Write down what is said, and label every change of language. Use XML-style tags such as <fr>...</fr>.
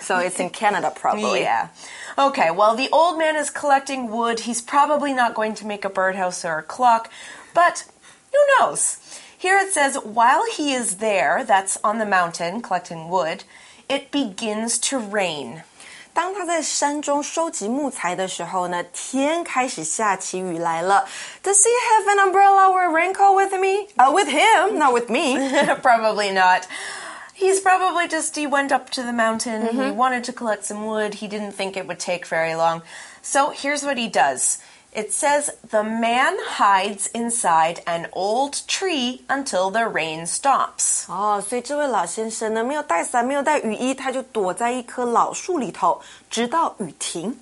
<en>So it's in Canada, probably. Yeah. Okay, well, the old man is collecting wood. He's probably not going to make a birdhouse or a clock, but who knows? Here it says, while he is there, that's on the mountain collecting wood, it begins to rain.</en> <zh>当他在山中收集木材的时候呢，天开始下起雨来了。</zh> <en>Does he have an umbrella or a raincoat with me? With him, not with me. Probably not. He's probably just, he went up to the mountain, mm-hmm. he wanted to collect some wood, he didn't think it would take very long. So here's what he does. It says, the man hides inside an old tree until the rain stops.</en> <zh>所以这位老先生呢，没有带伞，没有带雨衣，他就躲在一棵老树里头，直到雨停。</zh>